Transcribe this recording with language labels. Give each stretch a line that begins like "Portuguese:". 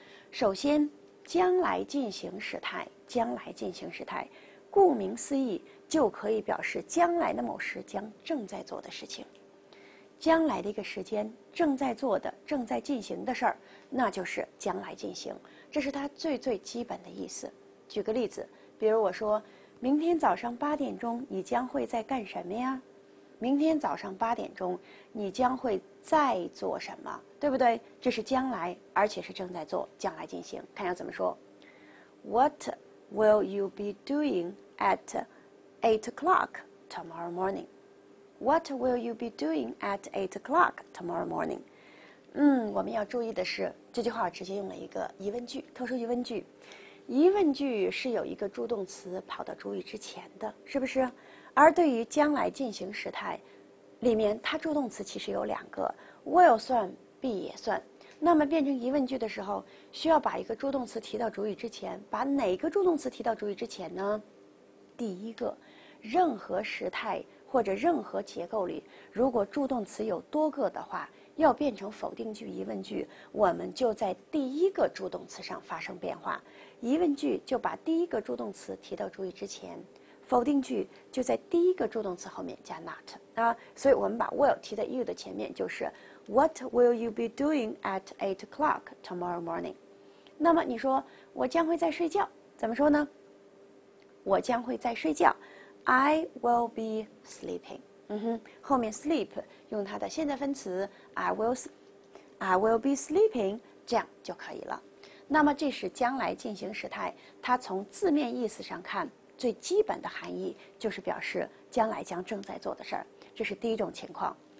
Chinese: 首先，将来进行时态，将来进行时态顾名思义就可以表示将来的某时将正在做的事情，将来的一个时间正在做的正在进行的事儿，那就是将来进行，这是它最最基本的意思。举个例子，比如我说明天早上八点钟你将会在干什么呀，明天早上八点钟你将会在做什么，对不对？这是将来，而且是正在做，将来进行。看要怎么说，
English: What will you be doing at 8 o'clock tomorrow morning? What will you be doing at 8 o'clock tomorrow morning?
Chinese: 我们要注意的是，这句话直接用了一个疑问句，特殊疑问句。疑问句是有一个助动词跑到主语之前的，是不是？而对于将来进行时态里面，它助动词其实有两个， will 算 be 也算，那么变成疑问句的时候需要把一个助动词提到主语之前，把哪个助动词提到主语之前呢？第一个，任何时态或者任何结构里如果助动词有多个的话，要变成否定句疑问句，我们就在第一个助动词上发生变化。疑问句就把第一个助动词提到主语之前，否定句就在第一个助动词后面加 not 啊，所以我们把 will 提在 you 的前面，就是
English: What will you be doing at 8 o'clock tomorrow morning?
Chinese: 那么你说我将会在睡觉，怎么说呢？我将会在睡觉，
English: I will be sleeping。
Chinese: 后面 sleep 用它的现在分词
English: I will be sleeping，
Chinese: 这样就可以了。那么这是将来进行时态，它从字面意思上看最基本的含义就是表示将来将正在做的事儿，这是第一种情况。